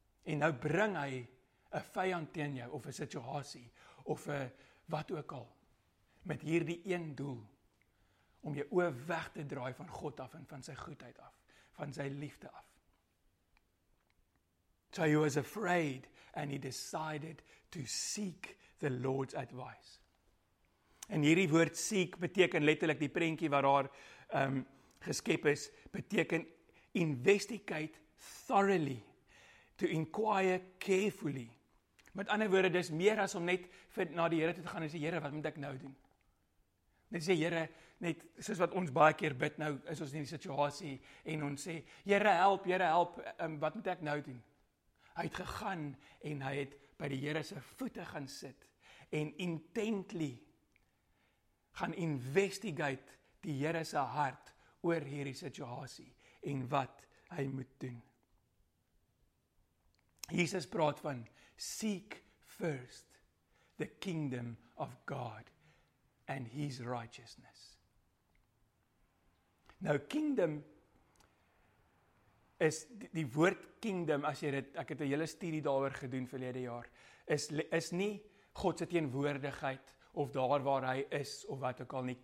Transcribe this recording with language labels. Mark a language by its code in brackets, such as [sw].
[af] En nou bring hy 'n vyand teen jou of 'n situasie of 'n wat ook al met hierdie een doel om jou oë weg te draai van God af en van sy goedheid af. Van sy liefde af. [en] So he was afraid and he decided to seek the Lord's advice. [af] En hierdie woord seek beteken letterlik die prentjie wat daar geskep is, beteken [en] investigate thoroughly, to inquire carefully. [af] Met ander woorde, dis meer as om net na die Here toe te gaan en sê, Here, wat moet ek nou doen? Net sê, Here, net soos wat ons baie keer bid, nou is ons in die situasie en ons sê, Here help, wat moet ek nou doen? Hy het gegaan en hy het by die Here se voete gaan sit en intently gaan investigate die Here se hart oor hierdie situasie en wat hy moet doen. Jesus praat van, [en] seek first the kingdom of God and his righteousness. [af] Nou kingdom is die woord kingdom as jy dit ek het 'n hele studie daaroor gedoen verlede jaar is nie God se teenwoordigheid of daar waar hy is of wat ook al nie.